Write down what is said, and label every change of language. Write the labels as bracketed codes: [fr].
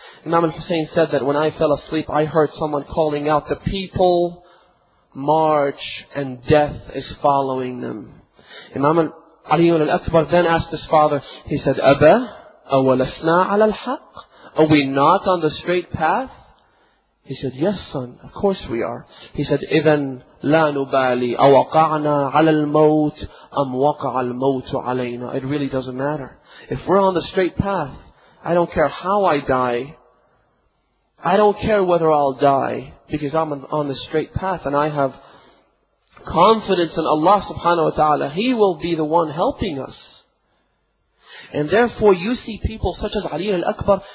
[en] Imam al-Hussein said that when I fell asleep, I heard someone calling out to people, march, and death is following them. Imam Ali al-Akbar then asked his father, he said, [ar] Aba, awalasna ala al-haq? [en] Are we not on the straight path? He said, yes son, of course we are. [ar] He said, إِذَنْ لَا نُبَالِي أَوَقَعْنَا عَلَى الْمَوْتِ أَمْ وَقَعَ الْمَوْتُ عَلَيْنَا. [en] It really doesn't matter. If we're on the straight path, I don't care how I die, I don't care whether I'll die, because I'm on the straight path and I have confidence in Allah [ar] subhanahu wa ta'ala. [en] He will be the one helping us. And therefore you see people such as Ali al-Akbar.